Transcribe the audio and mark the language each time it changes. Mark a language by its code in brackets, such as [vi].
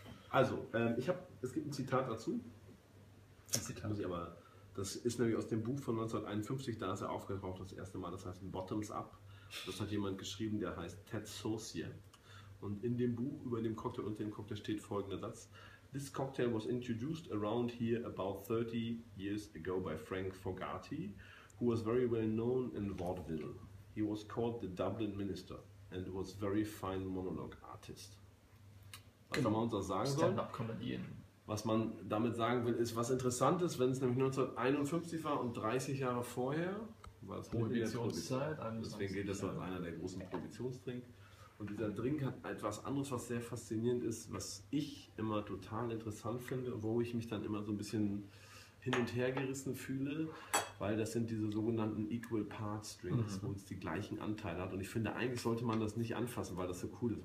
[de] Also, es gibt ein Zitat dazu. Ein Zitat. Muss ich aber. Das ist nämlich aus dem Buch von 1951, da ist er aufgetaucht das erste Mal, das heißt Bottoms Up. Das hat jemand geschrieben, der heißt Ted Saucier. Und in dem Buch über dem Cocktail und dem Cocktail steht folgender Satz. [en] This cocktail was introduced around here about 30 years ago by Frank Fogarty, who was very well known in vaudeville. He was called the Dublin Minister and was very fine monologue artist. [de] Was kann man uns auch sagen soll? Stand-up Comedian. Was man damit sagen will, ist was Interessantes, wenn es nämlich 1951 war und 30 Jahre vorher, war es Prohibitionszeit. Deswegen gilt das als einer der großen Prohibitionstrink. Und dieser Drink hat etwas anderes, was sehr faszinierend ist, was ich immer total interessant finde, wo ich mich dann immer so ein bisschen hin und her gerissen fühle, weil das sind diese sogenannten Equal Parts Drinks, wo es die gleichen Anteile hat. Und ich finde, eigentlich sollte man das nicht anfassen, weil das so cool ist.